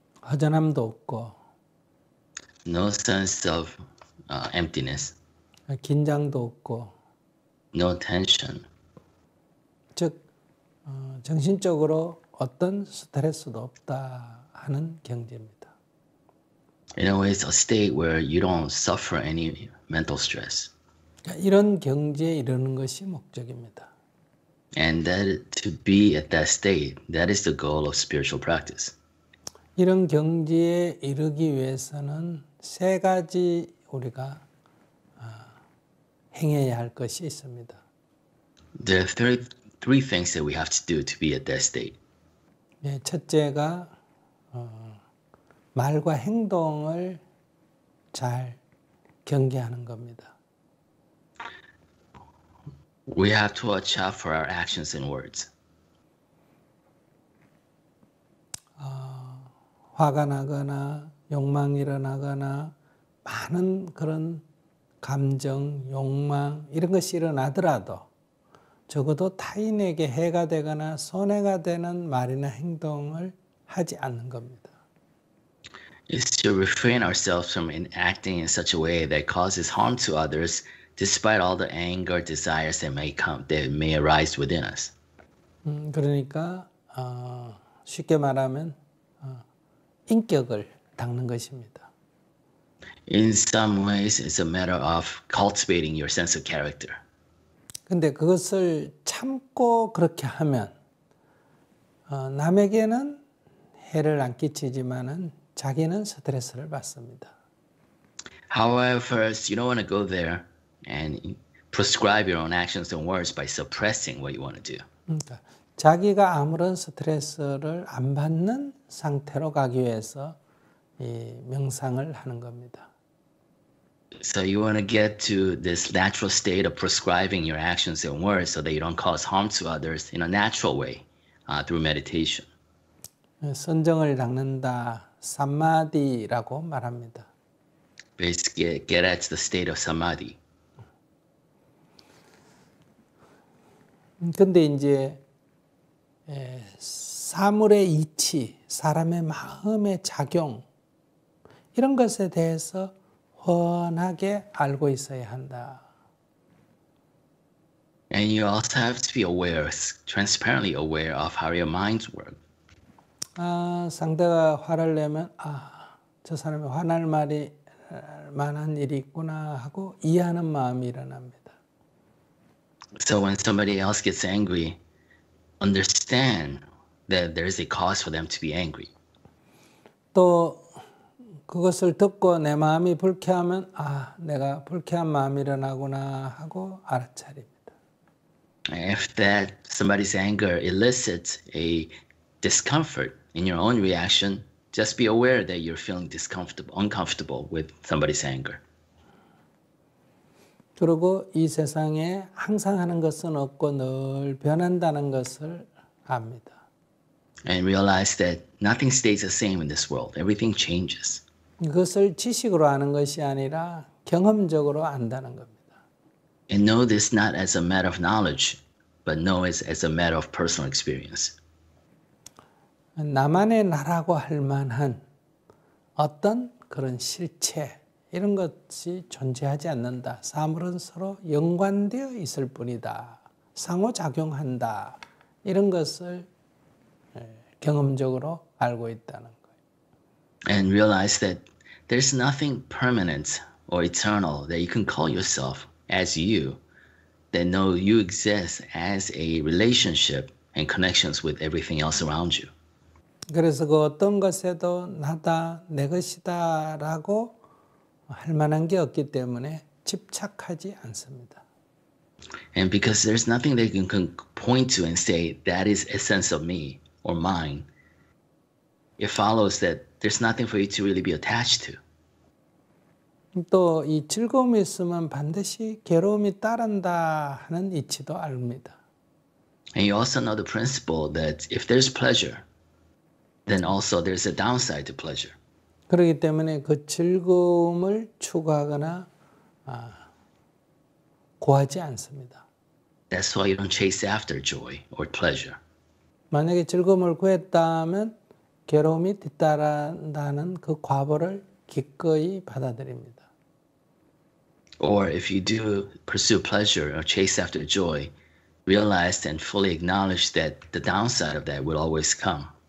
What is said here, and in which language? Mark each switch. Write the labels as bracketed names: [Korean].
[Korean] 허전함도 없고 [English] No sense of emptiness. [Korean] 긴장도 없고 [English] No tension. [Korean] 즉 정신적으로 어떤 스트레스도 없다 하는 경지입니다. [English] In a way, it's a state where you don't suffer any mental stress. [Korean] 이런 경지에 이르는 것이 목적입니다. [English] And that to be at that state, that is the goal of spiritual practice. [Korean] 이런 경지에 이르기 위해서는 세 가지 우리가 행해야 할 것이 있습니다. [English] There are three things that we have to do to be at that state. [Korean] 첫째가 말과 행동을 잘 경계하는 겁니다. [English] We have to watch out for our actions and words. [Korean] 화가 나거나 욕망이 일어나거나 많은 그런 감정, 욕망 이런 것이 일어나더라도 적어도 타인에게 해가 되거나 손해가 되는 말이나 행동을 하지 않는 겁니다. [English] Is to refrain ourselves from acting in such a way that causes harm to others despite all the anger desires that may come that may arise within us. [Korean] 그러니까 쉽게 말하면 인격을 닦는 것입니다. [English] In some ways it's a matter of cultivating your sense of character. [Korean] 근데 그것을 참고 그렇게 하면 남에게는 해를 안 끼치지만은 자기는 스트레스를 받습니다. [English] However, you don't want to go there and prescribe your own actions and words by suppressing what you want to do. [Korean] 그러니까 자기가 아무런 스트레스를 안 받는 상태로 가기 위해서 이 명상을 하는 겁니다. [English] So you want to get to this natural state of prescribing your actions and words so that you don't cause harm to others in a natural way through meditation. [Korean] 선정을 닦는다. 삼마디라고 말합니다. [English] Basically, get at the state of samadhi. [Korean] 근데 이제 사물의 이치, 사람의 마음의 작용 이런 것에 대해서 훤하게 알고 있어야 한다. [English] And you also have to be aware, transparently aware of how your minds work. [Korean] 상대가 화를 내면 저 사람이 화날 말이 만한 일이 있구나 하고 이해하는 마음이 일어납니다. [English] So when somebody else gets angry, understand that there is a cause for them to be angry. [Korean] 또 그것을 듣고 내 마음이 불쾌하면 내가 불쾌한 마음이 일어나구나 하고 알아차립니다. [English] If that somebody's anger elicits a discomfort in your own reaction, just be aware that you're feeling uncomfortable with somebody's anger. [Korean] 그리고 이 세상에 항상 하는 것은 없고 늘 변한다는 것을 압니다. [English] And realize that nothing stays the same in this world. Everything changes. [Korean] 그것을 지식으로 아는 것이 아니라 경험적으로 안다는 겁니다. [English] And know this not as a matter of knowledge, but know it as a matter of personal experience. [Korean] 나만의 나라고 할 만한 어떤 그런 실체 이런 것이 존재하지 않는다. 사물은 서로 연관되어 있을 뿐이다. 상호작용한다. 이런 것을 경험적으로 알고 있다는 거예요. [English] And realize that there's nothing permanent or eternal that you can call yourself as you, that know you exist as a relationship and connections with everything else around you. [Korean] 그래서 그 어떤 것에도 나다, 내 것이다 라고 할 만한 게 없기 때문에 집착하지 않습니다. [English] And because there's nothing that you can point to and say that is essence of me or mine, it follows that there's nothing for you to really be attached to. [Korean] 또 이 즐거움이 있으면 반드시 괴로움이 따른다 하는 이치도 압니다. [English] And you also know the principle that if there's pleasure, then also there's a downside to pleasure. [Korean] 그렇기 때문에 그 즐거움을 추구하거나 구하지 않습니다. [English] That's why you don't chase after joy or pleasure. [Korean] 만약에 즐거움을 구했다면 괴로움이 뒤따른다는 그 과보를 기꺼이 받아들입니다. [English] Or if you do pursue pleasure or chase after joy, realize and fully acknowledge that the downside of that will always come.